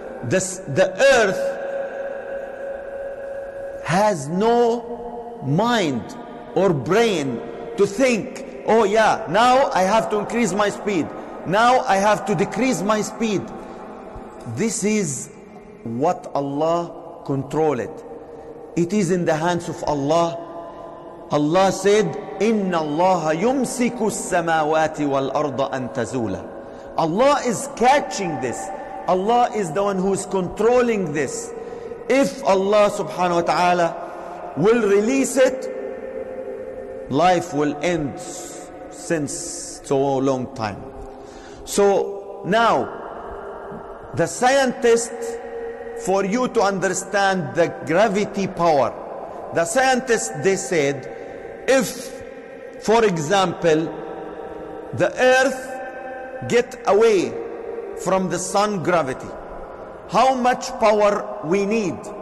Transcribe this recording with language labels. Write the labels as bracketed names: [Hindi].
[English] The Earth has no mind or brain to think, oh yeah, now I have to increase my speed. Now I have to decrease my speed. This is what Allah control it. It is in the hands of Allah. Allah said, [Arabic] إِنَّ اللَّهَ يُمْسِكُ السَّمَاوَاتِ وَالْأَرْضَ أَن تَزُولَ. [English] Allah is catching this. Allah is the one who is controlling this. If Allah subhanahu wa ta'ala will release it, life will end since so long time. So now, the scientist, for you to understand the gravity power, the scientists, they said, if, for example, the earth get away from the sun gravity, how much power we need?